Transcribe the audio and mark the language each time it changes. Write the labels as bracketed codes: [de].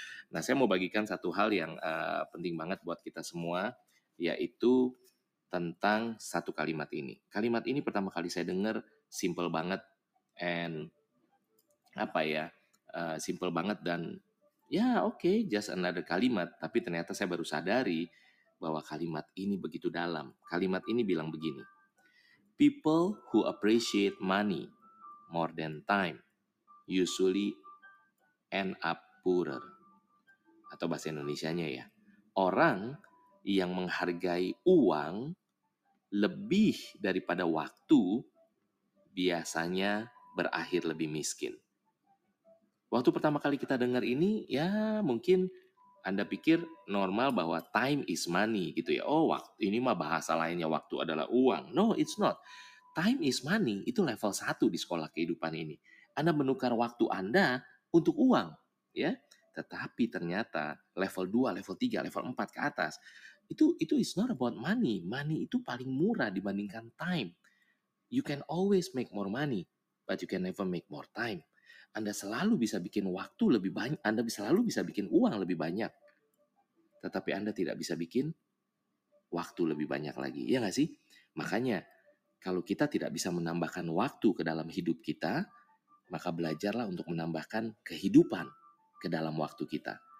[id] Nah, saya mau bagikan satu hal yang penting banget buat kita semua, yaitu tentang satu kalimat ini. Kalimat ini pertama kali saya dengar, simple banget and apa ya? Simple banget dan ya oke, [en] just another [id] kalimat, tapi ternyata saya baru sadari bahwa kalimat ini begitu dalam. Kalimat ini bilang begini. [en] People who appreciate money more than time usually end up poorer. [id] Atau bahasa Indonesianya ya. Orang yang menghargai uang lebih daripada waktu biasanya berakhir lebih miskin. Waktu pertama kali kita dengar ini, ya mungkin Anda pikir normal bahwa [en] time is money [id] gitu ya. Oh, waktu ini mah bahasa lainnya waktu adalah uang. [en] No, it's not. Time is money [id] itu level 1 di sekolah kehidupan ini. Anda menukar waktu Anda untuk uang, ya. Tetapi ternyata level 2, level 3, level 4 ke atas itu [en] is not about money. [id] Money itu paling murah dibandingkan time. [en] You can always make more money, but you can never make more time. [id] Anda selalu bisa bikin waktu lebih banyak, Anda selalu bisa bikin uang lebih banyak. Tetapi Anda tidak bisa bikin waktu lebih banyak lagi, ya nggak sih? Makanya, kalau kita tidak bisa menambahkan waktu ke dalam hidup kita, maka belajarlah untuk menambahkan kehidupan ke dalam waktu kita.